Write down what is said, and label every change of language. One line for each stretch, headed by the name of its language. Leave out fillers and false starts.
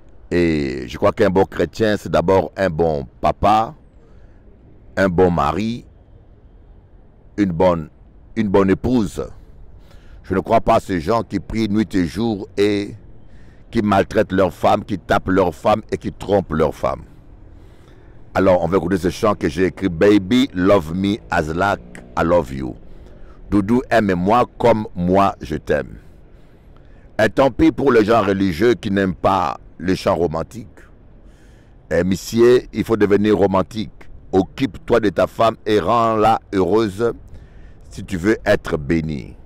French: Et je crois qu'un bon chrétien, c'est d'abord un bon papa, un bon mari, une bonne épouse. Je ne crois pas à ces gens qui prient nuit et jour et qui maltraitent leur femme, qui tapent leur femme et qui trompent leur femme. Alors, on va écouter ce chant que j'ai écrit.
English: Baby, love me as like I love you.
French: Doudou, aime-moi comme moi je t'aime. Et tant pis pour les gens religieux qui n'aiment pas les chants romantiques. Et monsieur, il faut devenir romantique. Occupe-toi de ta femme et rends-la heureuse si tu veux être béni.